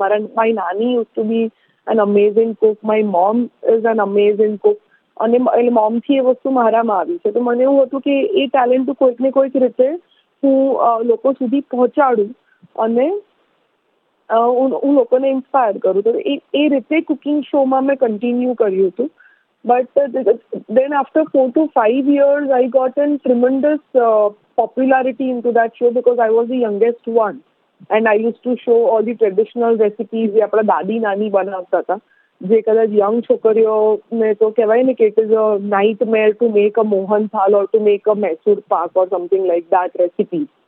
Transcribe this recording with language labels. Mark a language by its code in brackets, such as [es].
[gu] મારા [en] my nani used to be an amazing cook, [gu] my mom is an amazing Cook, અને એટલે મોમથી એ વસ્તુ મારામાં આવી છે. તો મને એવું હતું કે એ ટેલેન્ટ કોઈકને કોઈક રીતે હું લોકો સુધી પહોંચાડું અને હું લોકોને ઇન્સ્પાયર કરું. તો એ રીતે કુકિંગ શોમાં મેં કન્ટિન્યુ કર્યું હતું. [en] But then after 4 to 5 years, I got a tremendous popularity into that show because I was the youngest one. And I used to show all the traditional recipes. [hi] Apna dadi nani banata tha. [gu] જે કદાચ young છોકરીઓ ને તો કહેવાય ને કે [en] It is a nightmare to make a mohanthal or to make a Mysore pak or something like that recipe.